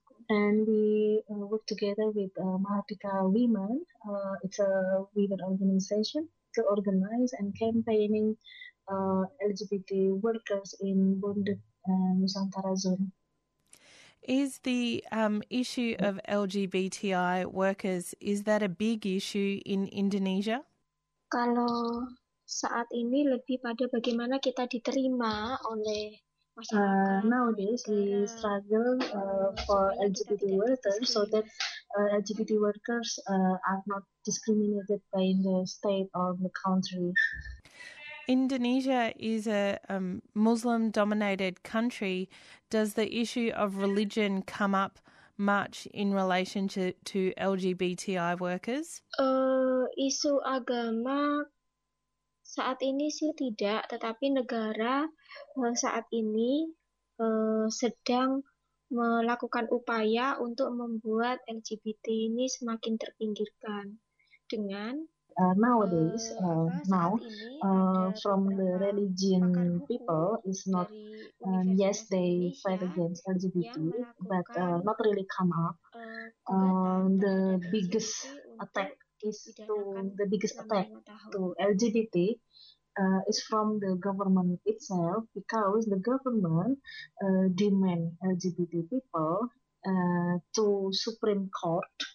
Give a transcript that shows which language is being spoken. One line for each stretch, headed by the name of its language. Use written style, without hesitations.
English: And we work together with Mahardika Women, it's a women organization, to organize and campaigning LGBT workers in Bundet Nusantara zone. Is the issue of LGBTI workers, is that a big issue in Indonesia?
Indonesian: Kalau saat ini lebih pada bagaimana kita diterima oleh
English: nowadays we struggle for LGBT workers so that LGBT workers are not discriminated by the state or the country. Indonesia is a Muslim-dominated country. Does the issue of religion come up much in relation to LGBTI workers?
Indonesian: Isu agama saat ini sih tidak, tetapi negara saat ini sedang melakukan upaya untuk membuat LGBT ini semakin terpinggirkan dengan
English: Nowadays, now, from the religion people, is not, yes, they fight against LGBT, but not really come up. The biggest attack is to the biggest attack to LGBT is from the government itself, because the government demand LGBT people to Supreme Court.